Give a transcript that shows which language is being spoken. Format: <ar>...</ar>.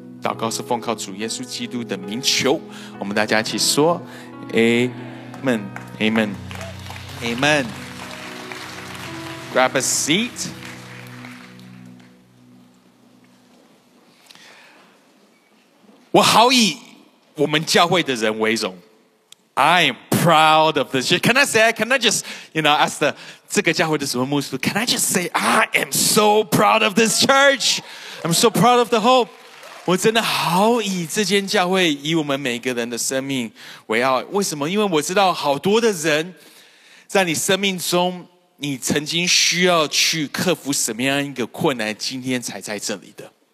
<zh>祷告是奉靠主耶稣基督的名求，我们大家一起说 Amen, Amen, Amen.</zh> <en>Grab a seat.</en> <zh>我好以我们教会的人为荣。</zh> <en>I am proud of this. Can I say, can I just, you know, ask the,</en> <zh>这个教会的什么牧师,</zh> <en>can I just say, I am so proud of this church. I'm so proud of the hope.</en> <zh>我真的好以这间教会以我们每个人的生命为傲。为什么？因为我知道好多的人在你生命中你曾经需要去克服什么样一个困难，今天才在这里的。</zh>